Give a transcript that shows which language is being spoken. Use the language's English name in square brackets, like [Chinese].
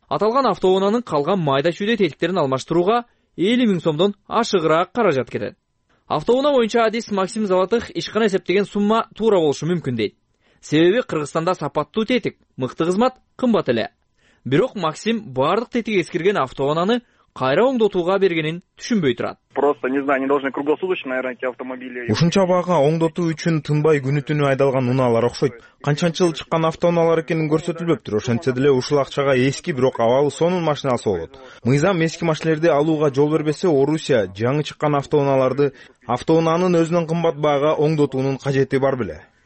[Kyrgyz] Аталган автоунаанын калган майда чүйдө тетиктерин алмаштырууга 50 000 сомдон ашыгыраак каражат кетет. Автоунаа боюнча адис Максим Заватых ишкана эсептеген сумма туура болушу мүмкүн дейт. Себеби Кыргызстанда сапаттуу тетик, мыкты кызмат кымбат эле. Бирок Максим баардык тетиги эскирген автоунааны кайра оңдотууга бергенин түшүнбөй турат. [Russian] Просто не знаю, они должны круглосуточно, наверное, эти автомобили. [Kyrgyz] Ушунча баага оңдотуу үчүн тынбай күнү түнү айдалган унаалар окшойт. Канчанчы жыл чыккан автоунаалар экенин көрсөтүлбөптүр. Ошентсе деле ушул акчага эски, бирок абалы сонун машинасы болот. Мыйзам эски машинелерди алууга жол бербесе, Орусия жаңы чыккан автоунааларды автоунаанын өзүнөн кымбат баага оңдотуунун кажети бар беле?